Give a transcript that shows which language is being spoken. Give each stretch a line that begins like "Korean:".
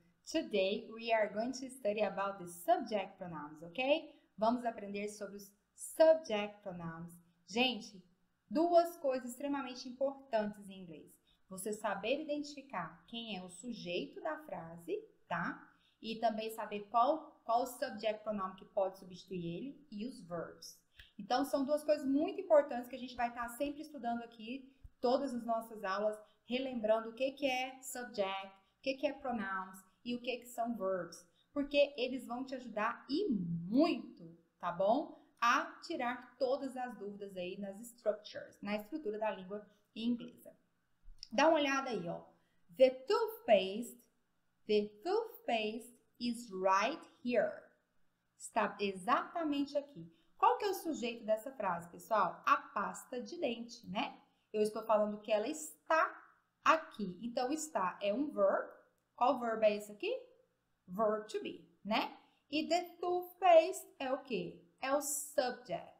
English: Today we are going to study about the subject pronouns, ok?
Portuguese: Vamos aprender sobre os subject pronouns. Gente, duas coisas extremamente importantes em inglês. Você saber identificar quem é o sujeito da frase, tá? E também saber qual o subject pronoun que pode substituir ele e os verbs. Então, são duas coisas muito importantes que a gente vai estar sempre estudando aqui. Todas as nossas aulas, relembrando o que é subject, o que é pronouns e o que são verbs, porque eles vão te ajudar e muito, tá bom? A tirar todas as dúvidas aí nas structures, na estrutura da língua inglesa. Dá uma olhada aí, ó.
English: The toothpaste is right here.
Portuguese: Está exatamente aqui. Qual que é o sujeito dessa frase, pessoal? A pasta de dente, né? Eu estou falando que ela está aqui. Então, está é um verb. Qual verb é esse aqui? Verb to be, né? E the toothpaste é o quê? É o subject.